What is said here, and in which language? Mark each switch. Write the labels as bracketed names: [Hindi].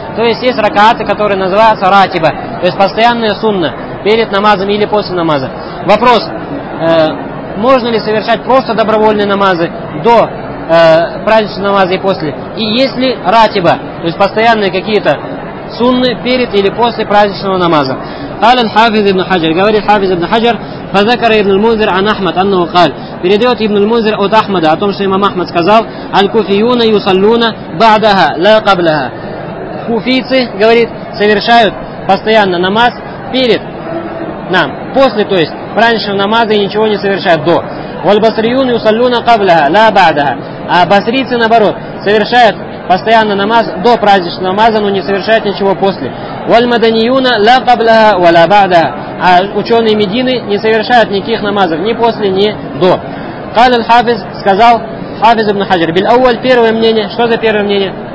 [Russian] То есть ракаты, которые называются ратиба. То есть постоянная сунна перед намазом или после намаза. Вопрос. Можно ли совершать просто добровольные намазы до праздничного намаза и после? И есть ли ратиба, то есть постоянные какие-то сунны перед или после праздничного намаза? [Arabic] قال الحافظ ابن حجر, [Russian] говорит [Arabic] حافظ ابن حجر, فذكر ابن المنذر عن أحمد أنه قال, [Russian] передает [Arabic] ابن المنذر [Russian] от Ахмада о том, что имам Ахмад сказал, [Arabic] الكوفيون يصلون بعدها لا قبلها. [Russian] Куфийцы, говорит, совершают постоянно намаз перед нам, после, то есть праздничного намаза, и ничего не совершают до. [Arabic] والبصريون يصلون قبلها لا بعدها. [Russian] А басрийцы, наоборот, совершают постоянно намаз до праздничного намаза, но не совершают ничего после. [Arabic] Вальмаданиюна ла кабляха ва ла ба'даха. [Russian] А ученые Медины не совершают никаких намазов ни после, ни до. [Arabic] Кал аль-Хафиз, [Russian] сказал Хафиз ибн Хаджар. [Arabic] Биль ауаль, [Russian] первое мнение. Что за первое мнение?